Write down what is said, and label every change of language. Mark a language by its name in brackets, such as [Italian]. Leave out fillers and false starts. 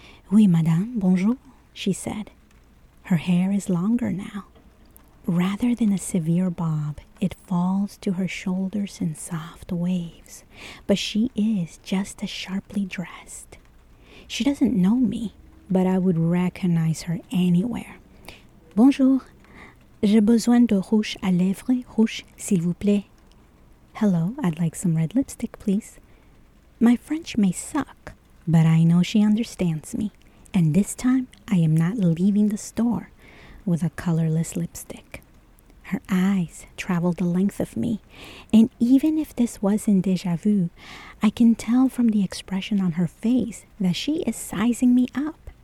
[French] "Oui, madame, bonjour," [English] she said. Her hair is longer now. Rather than a severe bob, it falls to her shoulders in soft waves, but she is just as sharply dressed. She doesn't know me, but I would recognize her anywhere. [French] "Bonjour, j'ai besoin de rouge à lèvres, rouge, s'il vous plaît." [English] "Hello, I'd like some red lipstick, please." My French may suck, but I know she understands me. And this time, I am not leaving the store with a colorless lipstick. Her eyes travel the length of me. And even if this wasn't déjà vu, I can tell from the expression on her face that she is sizing me up.